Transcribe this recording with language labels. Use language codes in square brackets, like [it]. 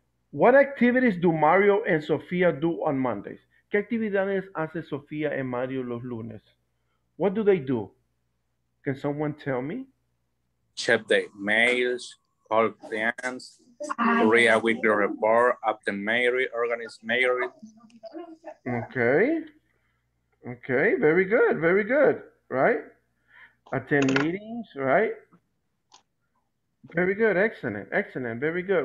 [en] What activities do Mario and Sofía do on Mondays? [es] ¿Qué actividades hace Sofía y Mario los lunes? [en] What do they do? Can someone tell me? Check the mails, call clients, read a weekly report of the mayor, organize mayor. Okay. Okay, very good, very good. Right? Attend meetings, right? Very good, excellent, excellent, very good.